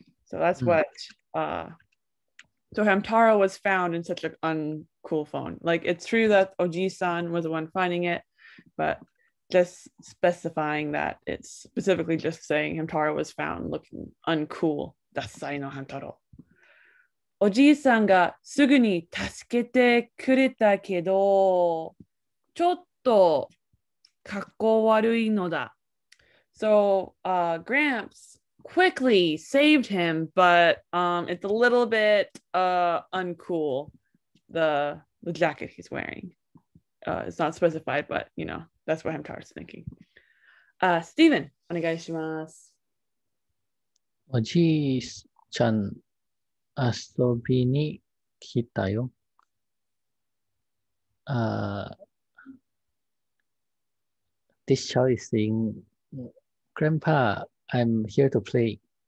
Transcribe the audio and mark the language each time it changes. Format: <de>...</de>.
<en>So that's what, so Hamtaro was found in such an uncool form. Like, it's true that Oji-san was the one finding it, but just specifying that it's specifically just saying Hamtaro was found looking uncool.</en> <ja>ダッサイのハンタロウ。おじいさんがすぐに助けてくれたけど、ちょっと格好悪いのだ。</ja> <en>So, Gramps quickly saved him, but it's a little bit uncool. The jacket he's wearing. It's not specified, but you know, that's what Hamtaro's thinking. Steven,</en> <ja>お願いします。おじいちゃん遊びに来たよ。</ja> <en>This child is saying, Grandpa, I'm here to play.</en>